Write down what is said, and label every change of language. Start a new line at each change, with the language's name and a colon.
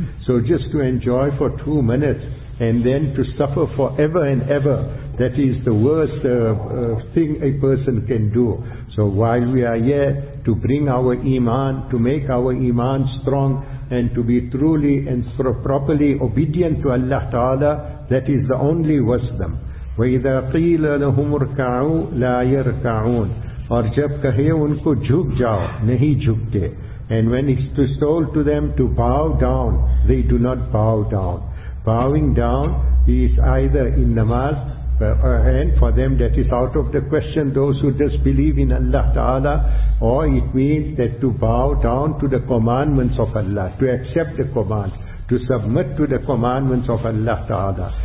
English: So just to enjoy for 2 minutes, and then to suffer forever and ever, that is the worst thing a person can do. So while we are here, to bring our iman, to make our iman strong, and to be truly and properly obedient to Allah Ta'ala, that is the only wisdom.
Arabic: وَإِذَا قِيلَ لَهُمُ ارْكَعُوا لَا يَرْكَعُونَ.
Urdu: اور جب کہے ان کو جھک جاؤ, نہیں جھکتے.
English: And when it is told to them to bow down, they do not bow down. Bowing down is either in namaz, and for them that is out of the question, those who disbelieve in Allah Ta'ala, or it means that to bow down to the commandments of Allah, to accept the commands, to submit to the commandments of Allah Ta'ala.